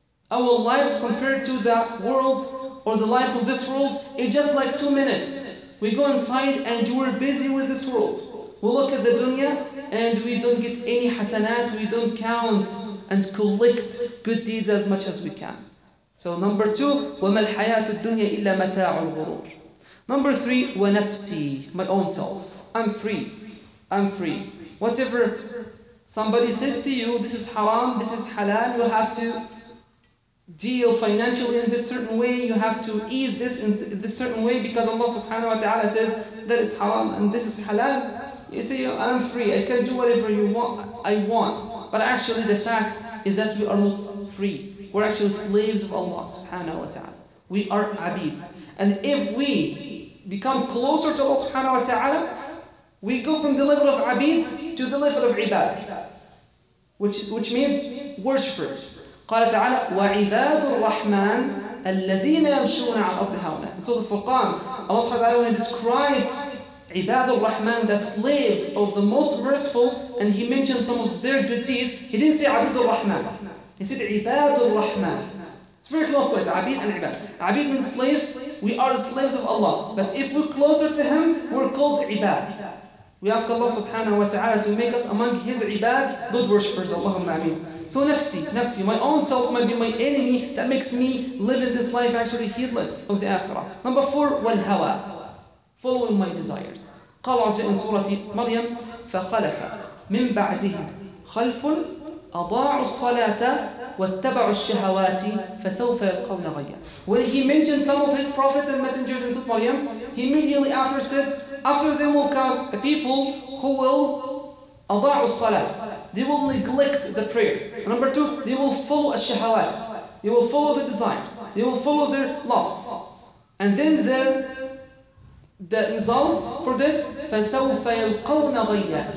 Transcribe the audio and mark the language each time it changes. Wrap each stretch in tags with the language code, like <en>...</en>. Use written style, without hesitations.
<en>Our lives compared to the world or the life of this world is just like 2 minutes. We go inside and we're busy with this world. We look at the dunya and we don't get any hasanat, we don't count and collect good deeds as much as we can. So number two,</en> <ar>وَمَا الْحَيَاةُ الدُّنْيَا إِلَّا مَتَاعُ الْغُرُورِ.</ar> <en>Number three, وَنَفْسِي, my own self. I'm free. Whatever somebody says to you, this is haram, this is halal, you have to deal financially in this certain way, you have to eat this in this certain way, because Allah subhanahu wa ta'ala says that is haram and this is halal. You say, I'm free, I can do whatever I want. But actually the fact is that we are not free. We're actually slaves of Allah subhanahu wa ta'ala. We are abid. And if we become closer to Allah subhanahu wa ta'ala, we go from the level of abid to the level of ibad, which means worshippers.</en> <ar>قال تعالى وعباد الرحمن الذين يمشون على الأرض هونا.</ar> <en>And so the Furqan, Allah subhanahu wa ta'ala, when he described عباد الرحمن, the slaves of the most merciful, and he mentioned some of their good deeds, he didn't say عبد الرحمن, he said عباد الرحمن. It's very close to it. Abid and ibad. Abid means slave. We are the slaves of Allah. But if we're closer to Him, we're called ibad. We ask Allah subhanahu wa ta'ala to make us among His ibad, good worshippers. Allahumma ameen. So nafsi, my own self might be my enemy that makes me live in this life actually heedless of the akhirah. Number four, wal hawa, following my desires.</en> <ar>قال عز وجل سورة مريم فخلف من بعده خلف أضاعوا الصلاة واتبعوا الشهوات فسوف يلقون غيا.</ar> <en>When he mentioned some of his prophets and messengers in Surah Maryam, he immediately after said, after them will come a people who will</en> <ar>أضاعوا الصلاة.</ar> <en>They will neglect the prayer. Number two, they will follow الشهوات. They will follow the desires. They will follow their lusts. And then the result for this,</en> <ar>فَسَوْفَ يَلْقَوْنَ غَيَّ.</ar>